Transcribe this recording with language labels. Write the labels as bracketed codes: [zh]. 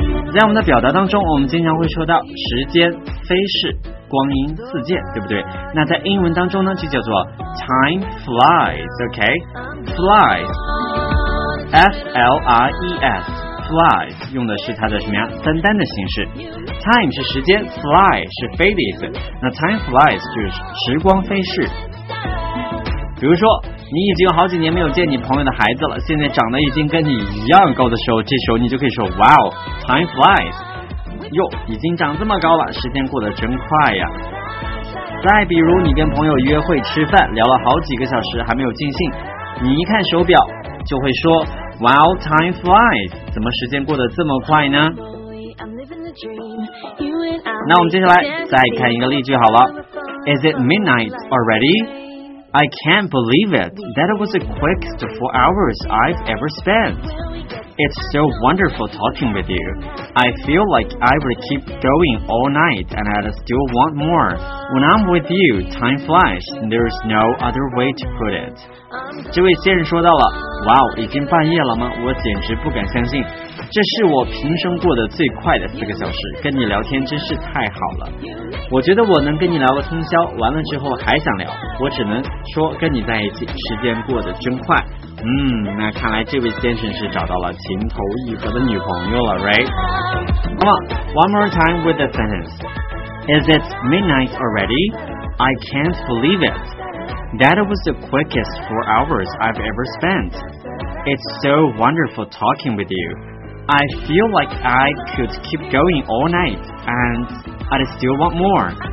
[zh] 在我们的表达当中，我们经常会说到时间飞逝，光阴似箭，对不对？那在英文当中呢，就叫做 time flies， OK， flies， F L I E S， flies， 用的是它的什么呀？单单的形式。 time 是时间， fly 是飞的意思。那 time flies 就是时光飞逝。比如说，你已经有好几年没有见你朋友的孩子了，现在长得已经跟你一样高的时候，这时候你就可以说 [en] Wow, time flies， [zh] 哟，已经长这么高了，时间过得真快呀。再比如你跟朋友约会吃饭，聊了好几个小时还没有尽兴，你一看手表就会说 [en] Wow, time flies， [zh] 怎么时间过得这么快呢？那我们接下来再看一个例句好了。 [en] Is it midnight already? I can't believe it. That was the quickest 4 hours I've ever spent. It's so wonderful talking with you. I feel like I would keep going all night and I'd still want more. When I'm with you, time flies. There's no other way to put it. [zh] 这位先生说到了，哇，已经半夜了吗？我简直不敢相信。这是我平生过得最快的4个小时，跟你聊天真是太好了。我觉得我能跟你聊个通宵，完了之后还想聊，我只能说跟你在一起时间过得真快。那看来这位先生是找到了情投意合的女朋友了， right? [en] Come on, one more time with the sentence. Is it midnight already? I can't believe it. That was the quickest 4 hours I've ever spent. It's so wonderful talking with you. I feel like I could keep going all night, and I'd still want more.